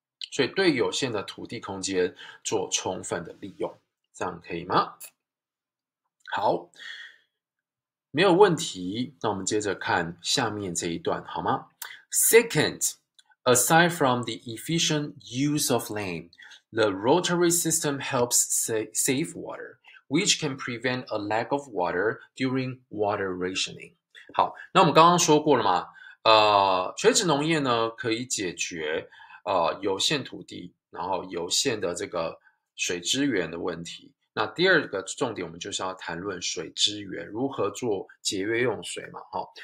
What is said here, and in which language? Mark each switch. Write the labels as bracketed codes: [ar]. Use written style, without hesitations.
[zh] 所以对有限的土地空间做充分的利用，这样可以吗？好。没有问题，那我们接着看下面这一段好吗？ [en] Second, aside from the efficient use of land, the rotary system helps save water, which can prevent a lack of water during water rationing. [zh] 好，那我们刚刚说过了嘛，垂直农业呢可以解决有限土地，然后有限的这个水资源的问题。那第二个重点，我们就是要谈论水资源如何做节约用水嘛，哈。